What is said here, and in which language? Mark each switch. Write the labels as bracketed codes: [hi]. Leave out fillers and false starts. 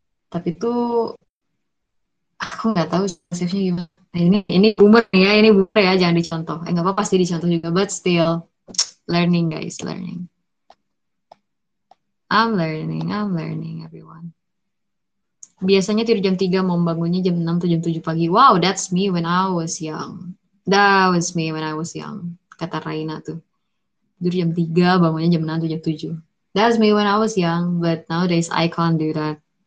[id] Tapi tuh aku nggak tahu save-nya gimana. Nah, ini boomer ya, ini boomer ya, jangan dicontoh. Eh, nggak apa-apa sih dicontoh juga, [en] but still learning guys, learning. I'm learning, everyone. [id] Biasanya tidur jam 3, mau bangunnya jam 6 atau jam 7 pagi. [en] Wow, that's me when I was young. That was me when I was young. [id] Kata Raina tuh. Tidur jam 3, bangunnya jam 6 atau jam 7. [en] That's me when I was young, but nowadays I can't do that.